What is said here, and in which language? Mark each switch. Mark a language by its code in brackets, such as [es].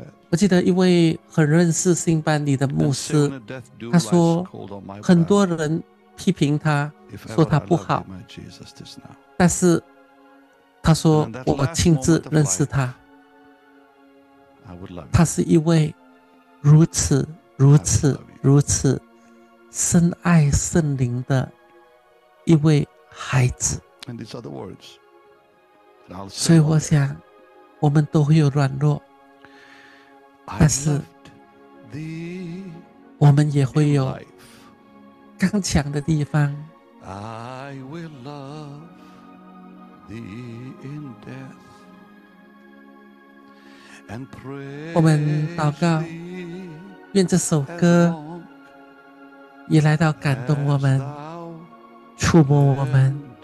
[zh] 我记得一位很认识辛班尼的牧师，他说很多人批评他，说他不好，但是他说我亲自认识他，他是一位如此如此如此深爱圣灵的一位孩子。所以我想我们都会有软弱，但是我们也会有刚强的地方。 [en] I will love thee in death. [zh] 我们祷告，愿这首歌也来到感动我们，触摸我们。